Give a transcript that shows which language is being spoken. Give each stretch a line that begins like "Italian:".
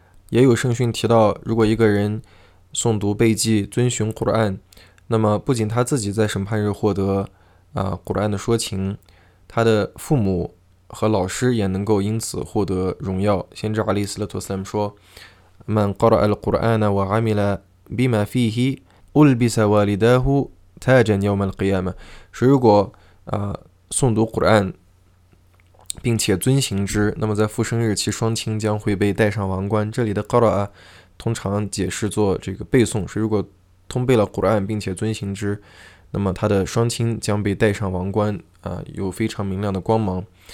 Chinese: 也有圣训提到，如果一个人诵读背记、遵循 Quran，那么不仅他自己在审判日获得Quran 的说情，他的父母和老师也能够因此获得荣耀。先知阿里·斯勒图斯坦说。
Arabic: من قرأ القرآن وعمل بما فيه ألبس والداه تاجا يوم القيامة。
Chinese: 谁如果诵读 Quran 并且遵行之，那么在复生日其双亲将会被戴上王冠。这里的 قرأ 通常解释作这个背诵。谁如果通背了 Quran 并且遵行之，那么他的双亲将被戴上王冠，有非常明亮的光芒。